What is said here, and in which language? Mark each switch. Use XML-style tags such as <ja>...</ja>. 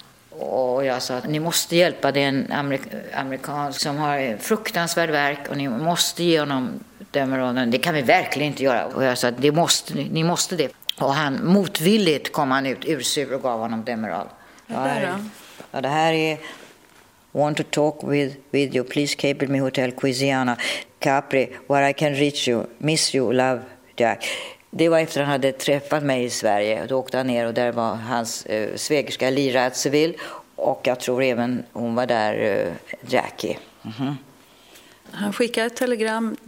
<sv>Och jag sa att ni måste hjälpa, det är en amerikan som har en fruktansvärd värk och ni måste ge honom Demeronen. Det kan vi verkligen inte göra. Och jag sa att ni måste det. Och han motvilligt kom han ut ur sur och gav honom Demerol. Det här är</sv> <en>want to talk with you, please cable me hotel Quisiana Capri where I can reach you, miss you, love Jack.</en> <sv>Det var efter han hade träffat mig i Sverige. Då åkte han ner och där var hans svägerska Lira Civil. Och jag tror även hon var där, Jackie. Mm-hmm. Han skickade ett telegram direkt.</sv>